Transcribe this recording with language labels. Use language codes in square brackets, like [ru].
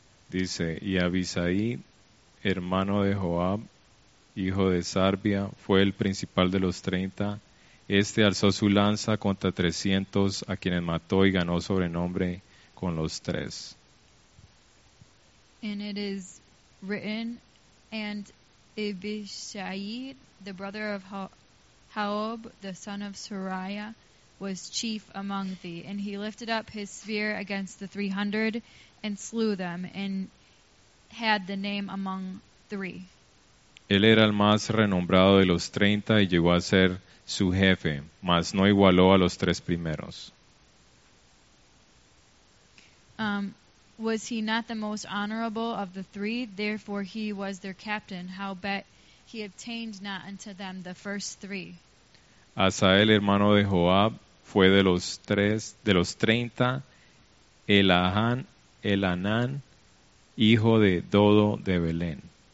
[es] Dice, y Abisaí, hermano de Joab, hijo de Sarbia, fue el principal de los 30. Este alzó su lanza contra 300, a quienes mató y ganó sobrenombre con los tres. [en] And it is written, and Abishai, the brother of Haob, the son of Sariah, was chief among thee. And he lifted up his spear against the 300 and slew them, and had the name among three. [es] Él era el más renombrado de los 30 y llegó a ser su jefe, mas no igualó a los tres primeros. [en] Was he not the most honorable of the three? Therefore he was their captain. Howbeit he obtained not unto them the first three. [es] Asael, hermano de Joab, fue de los tres, de los 30, Elhanan, hijo de Dodo de Belén.